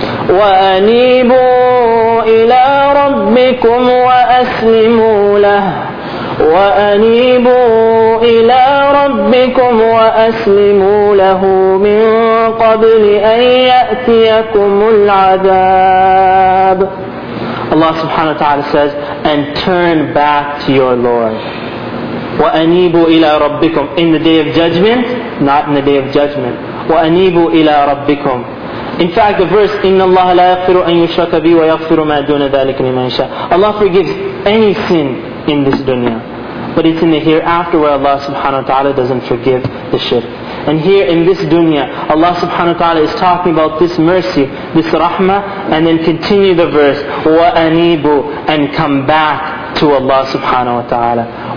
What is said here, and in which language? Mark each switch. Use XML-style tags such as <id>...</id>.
<ar>وَأَنِيبُوا إِلَىٰ رَبِّكُمْ وَأَسْلِمُوا لَهُ وَأَنِيبُوا إِلَىٰ رَبِّكُمْ وَأَسْلِمُوا لَهُ مِنْ قَبْلِ أَنْ يَأْتِيَكُمُ الْعَذَابُ</ar> <en>Allah subhanahu wa ta'ala says, and turn back to your Lord.</en> <ar>وَأَنِيبُوا إِلَىٰ رَبِّكُمْ</ar> <en>In the day of judgment, not in the day of judgment.</en> <ar>وَأَنِيبُوا إِلَىٰ رَبِّكُمْ In fact, the verse إِنَّ اللَّهَ لَا يَغْفِرُ أَن يُشْرَكَ بِي وَيَغْفِرُ مَا دُونَ ذَلِكَ لِمَنْ شَاءَ</ar> <en>Allah forgives any sin in this dunya. But it's in the hereafter where Allah subhanahu wa ta'ala doesn't forgive the shirk. And here in this dunya, Allah subhanahu wa ta'ala is talking about this mercy, this rahmah, and then continue the verse</en> <ar>وَأَنِيبُ</ar> <en>And come back to Allah subhanahu wa ta'ala.</en>